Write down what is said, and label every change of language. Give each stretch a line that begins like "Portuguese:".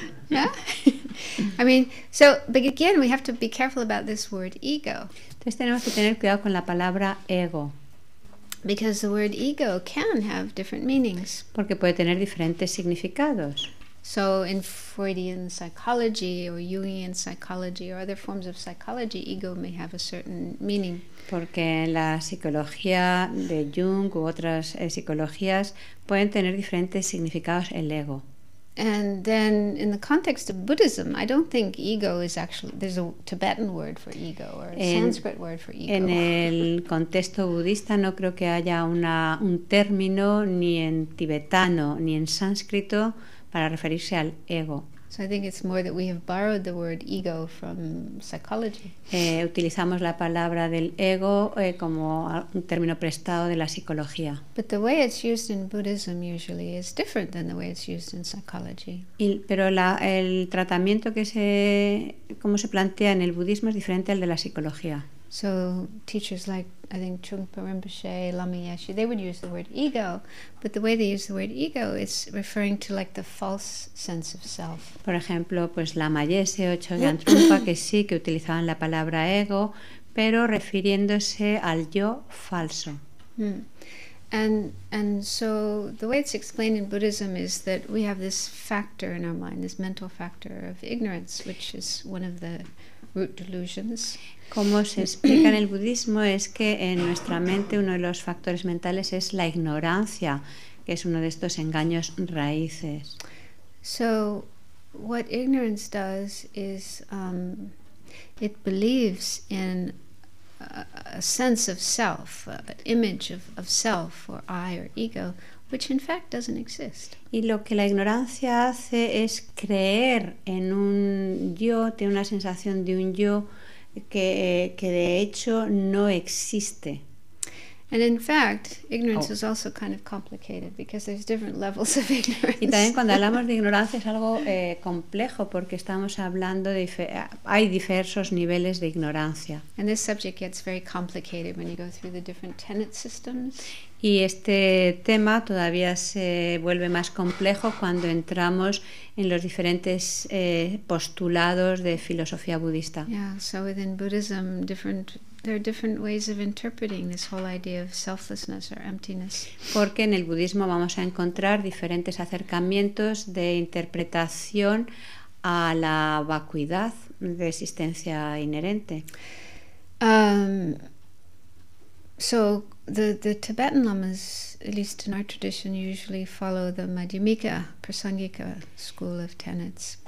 English: Yeah. I mean, so but again, we have to be careful about this word ego.
Spanish: Entonces tenemos que tener cuidado con la palabra ego.
English: Because the word ego can have different meanings.
Spanish: Porque puede tener diferentes significados.
English: So in Freudian psychology or Jungian psychology or other forms of psychology, ego may have a certain meaning.
Spanish: Porque en la psicología de Jung u otras psicologías pueden tener diferentes significados el ego.
English: And then in the context of Buddhism, I don't think ego is actually, there's a Tibetan word for ego or a Sanskrit word for ego.
Spanish: En el contexto budista no creo que haya un término ni en tibetano ni en sánscrito para referirse al ego.
English: So I think it's more that we have borrowed the word ego from psychology.
Spanish: Utilizamos la palabra del ego como un término prestado de la psicología.
English: But the way it's used in Buddhism usually is different than the way it's used in psychology.
Spanish: Pero el tratamiento como se plantea en el budismo es diferente al de la psicología.
English: So teachers like, I think, Chögyam Rinpoche, Lama Yeshe, they would use the word ego, but the way they use the word ego is referring to like the false sense of self.
Spanish: Por ejemplo, pues Lama Yeshe o Chögyam Rinpoche, que sí, que utilizaban la palabra ego, pero refiriéndose al yo falso.
English: And so the way it's explained in Buddhism is that we have this factor in our mind, this mental factor of ignorance, which is one of the root delusions.
Spanish: Como se explica en el budismo es que en nuestra mente uno de los factores mentales es la ignorancia, que es uno de estos engaños raíces.
English: So what ignorance does is it believes in a sense of self, an image of self or I or ego, which in fact doesn't exist.
Spanish: Y lo que la ignorancia hace es creer en un yo, tiene una sensación de un yo que de hecho no existe.
English: And in fact, ignorance is also kind of complicated because there's different levels of ignorance.
Spanish: Y también cuando hablamos de ignorancia es algo complejo porque estamos hablando de hay diversos niveles de ignorancia.
English: And this subject gets very complicated when you go through the different tenet systems.
Spanish: Y este tema todavía se vuelve más complejo cuando entramos en los diferentes postulados de filosofía budista.
English: Yeah, so within Buddhism, there are different ways of interpreting this whole idea of selflessness or emptiness.
Spanish: Porque en el budismo vamos a encontrar diferentes acercamientos de interpretación a la vacuidad de existencia inherente.
English: So the Tibetan lamas, at least in our tradition, usually follow the Madhyamika Prasangika school of tenets.